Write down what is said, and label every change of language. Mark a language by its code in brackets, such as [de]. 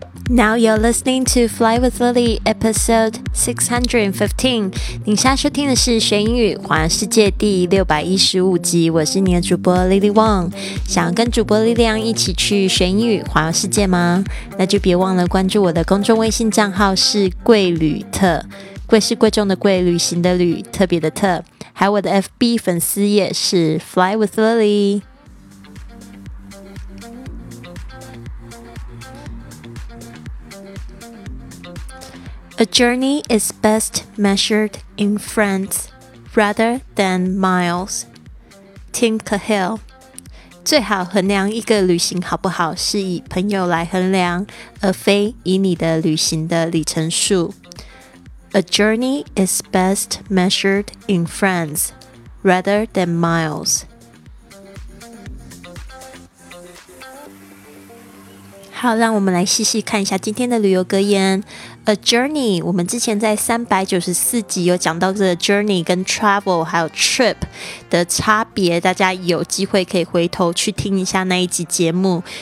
[en] Now you're listening to Fly with Lily, episode 615. [zh] 您现在收听的是玄英语环游世界第615集。我是你的主播 Lily Wang。想要跟主播莉莉安一起去玄英语环游世界吗？那就别忘了关注我的公众微信账号是贵旅特。贵是贵重的贵，旅行的旅，特别的特。还有我的 FB 粉丝页是 Fly with Lily。 [en] A journey is best measured in friends rather than miles. Tim Cahill. [zh] 最好衡量一个旅行好不好是以朋友来衡量，而非以你的旅行的里程数。 [en] A journey is best measured in friends rather than miles. [zh] 好，让我们来细细看一下今天的旅游格言。 A journey， 我们之前在394集有讲到这个 journey 跟 travel 还有 trip 的差别，大家有机会可以回头去听一下那一集节目。